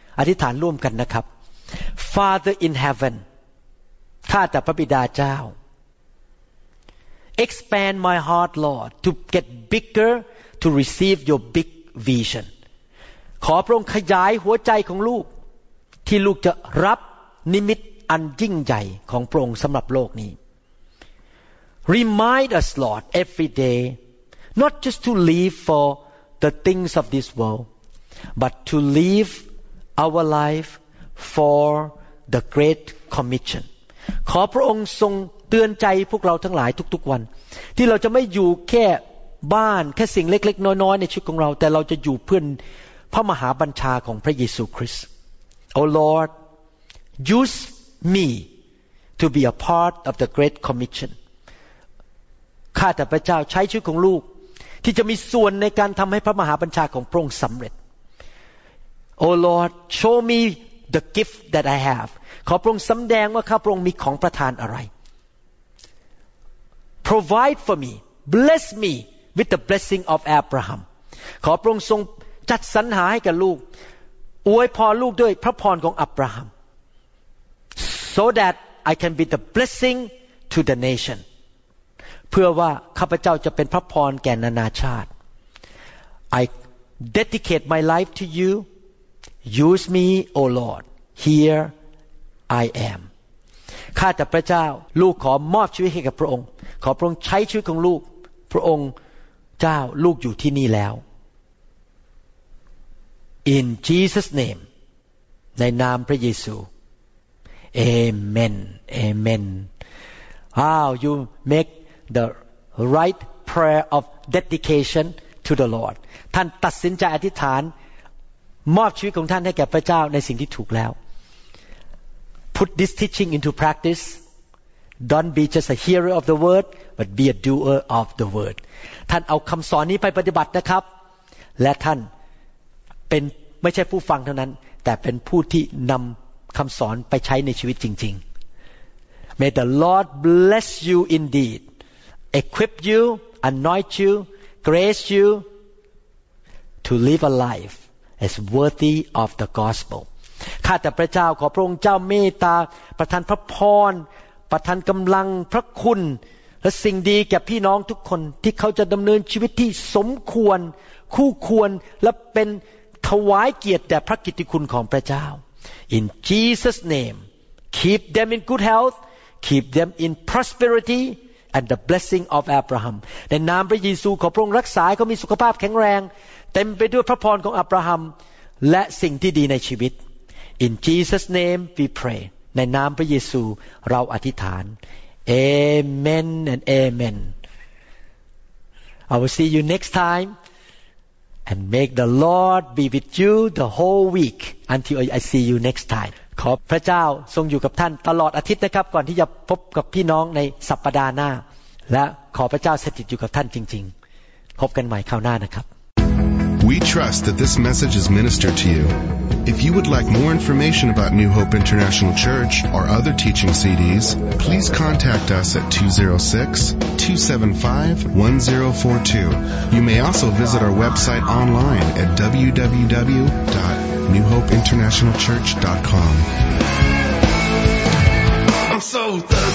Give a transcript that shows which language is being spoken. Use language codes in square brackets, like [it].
[th] อธิษฐานร่วมกันนะครับ [en] Father in heaven [th] ข้าแต่พระบิดาเจ้า [en] Expand my heart Lord to get bigger to receive your big vision [th] ขอพระองค์ขยายหัวใจของลูกที่ลูกจะรับนิมิตอันยิ่งใหญ่ของพระองค์สำหรับโลกนี้ [en] Remind us Lord every day not just to live for the things of this world but to live our life for the great commission [th] ขอพระองค์ทรงเตือนใจพวกเราทั้งหลายทุกๆวันที่เราจะไม่อยู่แค่บ้านแค่สิ่งเล็กๆน้อยๆในชีวิตของเราแต่เราจะอยู่เพื่อนพระมหาบัญชาของพระเยซูคริสต์ [en] Oh Lord use me to be a part of the great commission [th] ข้าแต่พระเจ้าใช้ชีวิตของลูกที่จะมีส่วนในการทำให้พระมหาบัญชาของพระองค์สำเร็จ [en] Oh Lord show me the gift that I have [th] ขอพระองค์สำแดงว่าข้าพระองค์มีของประทานอะไร [en] Provide for me bless me with the blessing of Abraham [th] ขอพระองค์ทรงจัดสรรหาให้กับลูกอวยพรลูกด้วยพระพรของอับราฮัม [en] so that I can be the blessing to the nation [th] เพื่อว่าข้าพเจ้าจะเป็นพระพรแก่นานาชาติ [en] I dedicate my life to you use me O Lord here I am [th] ข้าแต่พระเจ้าลูกขอมอบชีวิตให้กับพระองค์ขอพระองค์ใช้ชีวิตของลูกพระองค์เจ้าลูกอยู่ที่นี่แล้ว [en] In Jesus' name, [th] ในนามพระเยซู [en] Amen, Amen. Wow, you make the right prayer of dedication to the Lord. [th] ท่านตัดสินใจอธิษฐานมอบชีวิตของท่านให้แก่พระเจ้าในสิ่งที่ถูกแล้ว [en] Put this teaching into practice. Don't be just a hearer of the word, but be a doer of the word. [th] ท่านเอาคำสอนนี้ไปปฏิบัตินะครับและท่านเป็นไม่ใช่ผู้ฟังเท่านั้นแต่เป็นผู้ที่นำคำสอนไปใช้ในชีวิตจริง [en] ๆ May the Lord bless you indeed equip you anoint you grace you to live a life as worthy of the gospel [th] ข้าแต่พระเจ้าขอพระองค์เจ้าเมตตาประทานพระพรประทานกำลังพระคุณและสิ่งดีแก่พี่น้องทุกคนที่เขาจะดำเนินชีวิตที่สมควรคู่ควรและเป็นถวายเกียรติแด่พระกิตติคุณของพระเจ้า [en] In Jesus name keep them in good health keep them in prosperity and the blessing of Abraham [th] ในนามพระเยซูขอพระองค์รักษาให้เขามีสุขภาพแข็งแรงเต็มไปด้วยพระพรของอับราฮัมและสิ่งที่ดีในชีวิต [en] In Jesus name we pray [th] ในนามพระเยซูเราอธิษฐาน [en] Amen and Amen I will see you next timeAnd make the Lord be with you the whole week until I see you next time. [th] ขอพระเจ้าทรงอยู่กับท่านตลอดอาทิตย์นะครับก่อนที่จะพบกับพี่น้องในสัปดาห์หน้าและขอพระเจ้าสถิตอยู่กับท่านจริงๆพบกันใหม่คราวหน้านะครับ [en] We trust that this message is ministered to you. If you would like more information about New Hope International Church or other teaching CDs, please contact us at 206-275-1042. You may also visit our website online at www.newhopeinternationalchurch.com. I'm so thankful.